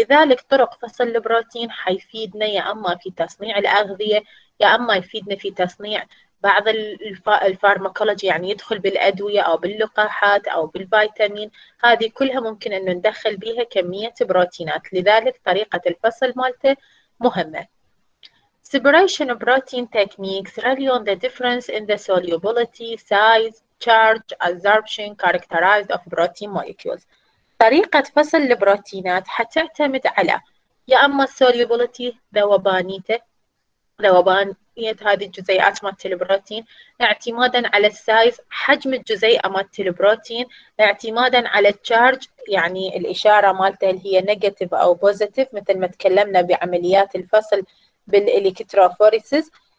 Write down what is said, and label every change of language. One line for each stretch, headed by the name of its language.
Arabic: لذلك طرق فصل البروتين حيفيدنا يا أما في تصنيع الأغذية، يا أما يفيدنا في تصنيع بعض الفارماكولوجي، يعني يدخل بالأدوية أو باللقاحات أو بالفيتامين. هذه كلها ممكن أن ندخل بها كمية بروتينات، لذلك طريقة الفصل مالته مهمة.
English: Separation of protein techniques rely on the difference in the solubility, size, charge, adsorption, characterized of protein molecules.
Arabic: طريقة فصل البروتينات حتعتمد على يا أما solubility، ذوبانية هذه الجزيئات مالت البروتين، اعتمادا على السايز، حجم الجزيئة مالت البروتين، اعتمادا على التشارج، يعني الإشارة مالته هل هي نيجاتيف أو بوزيتيف، مثل ما تكلمنا بعمليات الفصل بالإلكتروفوريسيس.